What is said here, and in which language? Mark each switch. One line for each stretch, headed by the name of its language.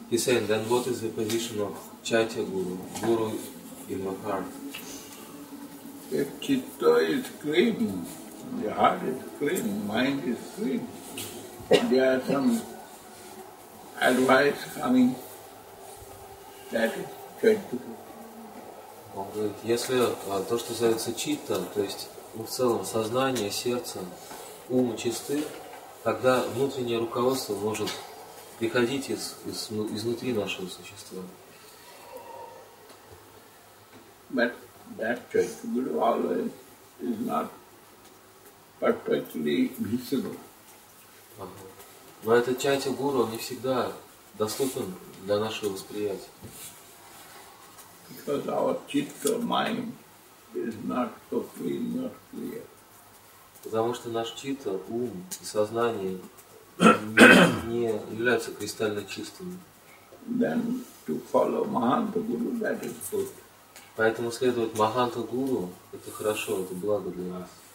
English: He's saying, then what is the position of Chaitya Guru, Guru in your heart? If chitta is clean, the heart is clean, mind is clean, there are some advice coming, that is Chaitya Guru.
Russian: Он говорит, если то, что называется читта, то есть в целом сознание, сердце, ум чисты, тогда внутреннее руководство может приходить изнутри нашего существа.
English: But that Chaitya Guru always is not perfectly visible.
Russian: Но этот Чайти Гуру не всегда доступен для нашего восприятия.
English: Because our chitta mind is not so clean, not clear.
Russian: Потому что наш чита, ум и сознание не являются кристально чистыми.
English: Then to follow Mahanta Guru, that is good.
Russian: Поэтому следовать Маханта Гуру – это хорошо, это благо для нас.